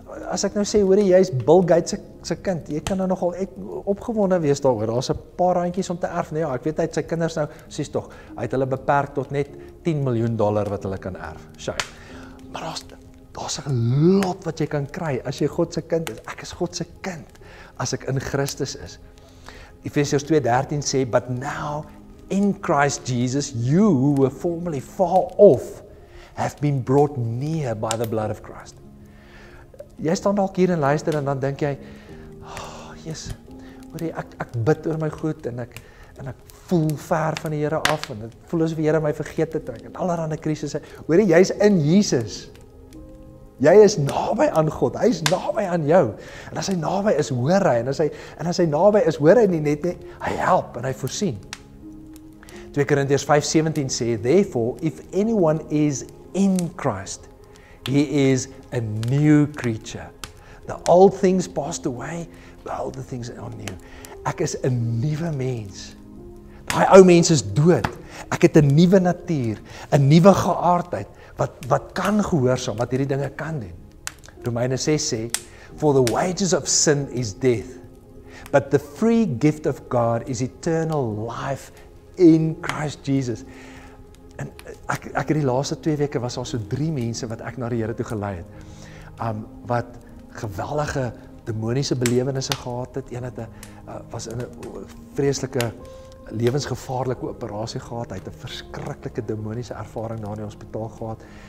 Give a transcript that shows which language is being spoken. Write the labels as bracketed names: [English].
[Afrikaans] As ek nou sê, hoorie, jy is Bill Gates se kind, jy kan nou nogal opgewonde wees daaroor. Daar's 'n paar randjies om te erf, nee, ja, ek weet hy het sy kinders nou, sies tog, hy het hulle beperk tot net $10 miljoen wat hulle kan erf. Sjoe. Maar daar's 'n lot wat jy kan kry as jy God se kind is. Ek is God se kind as ek in Christus is. Efesiërs 2:13 sê, [English] "But now in Christ Jesus, you who were formerly far off, have been brought near by the blood of Christ." [Afrikaans] Jy staan dalk hier en luister en dan dink jy, Jesus, hoor jy, ek bid oor my goed en ek voel ver van die Here af en ek voel asof die Here my vergeet het en allerlei krisisse. Hoor jy, jy's in Jesus. Jy is naby aan God. Hy is naby aan jou. En as hy naby is, hoor hy. En as hy naby is, hoor hy nie net nie. Hy help en hy voorsien. [English] 2 Corinthians 5:17 says, therefore, if anyone is in Christ, he is a new creature. The old things passed away, behold, the things are new. [Afrikaans] Ek is 'n nuwe mens. Daai ou mens is dood. Ek het 'n nuwe natuur, 'n nuwe geaardheid wat kan gehoorsaam, wat hierdie dinge kan doen. Romeine 6 sê, [English] for the wages of sin is death, but the free gift of God is eternal life in Christ Jesus. [Afrikaans] En ek het die laaste 2 weke was al so 3 mense wat ek na die Here toe gelei het, wat geweldige demoniese belewenisse gehad het. Een het was in 'n vreeslike lewensgevaarlike operasie gehad. Hy het 'n verskriklike demoniese ervaring daar in die hospitaal gehad.